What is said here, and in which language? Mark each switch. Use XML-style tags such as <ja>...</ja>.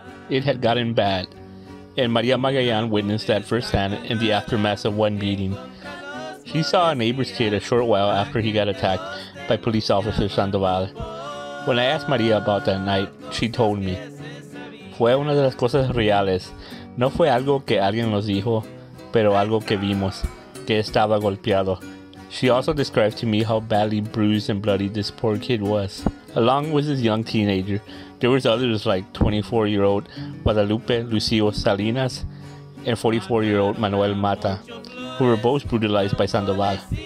<en>It had gotten bad, and Maria Magallan witnessed that firsthand in the aftermath of one beating. She saw a neighbor's kid a short while after he got attacked by police officer Sandoval. When I asked Maria about that night, she told me,</en> <es>"Fue una de las cosas reales. No fue algo que alguien nos dijo, pero algo que vimos, que estaba golpeado."</es> <en>She also described to me how badly bruised and bloodied this poor kid was. Along with his young teenager, there was others like 24-year-old Guadalupe Lucio Salinas and 44-year-old Manuel Mata, who were both brutalized by Sandoval.</en>